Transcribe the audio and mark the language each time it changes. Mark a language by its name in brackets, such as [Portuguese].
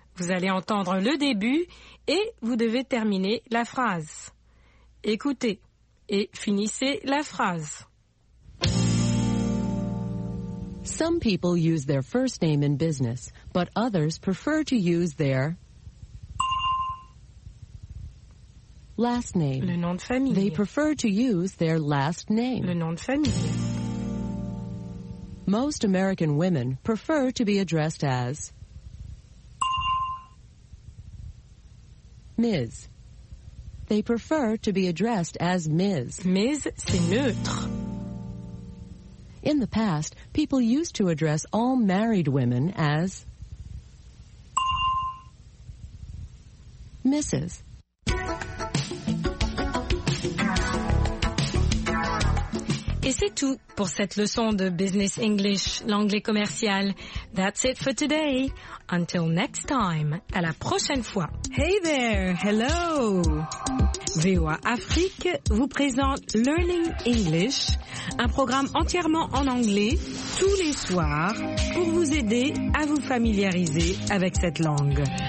[French] Vous allez entendre le début et vous devez terminer la phrase. Écoutez et finissez la phrase. [English] Some people use their first name in business, but others prefer to use their last name. [French] Le nom de famille. [English] They prefer to use their last name. [French] Le nom de famille. [English] Most American women prefer to be addressed as Ms. They prefer to be addressed as Ms. [French] Ms, c'est neutre. [English] In the past, people used to address all married women as Mrs. [French] Et c'est tout pour cette leçon de Business English, l'anglais commercial. [English] That's it for today. Until next time, [French] à la prochaine fois. [English] Hey there, hello. [French] VOA Afrique vous présente Learning English, un programme entièrement en anglais, tous les soirs, pour vous aider à vous familiariser avec cette langue.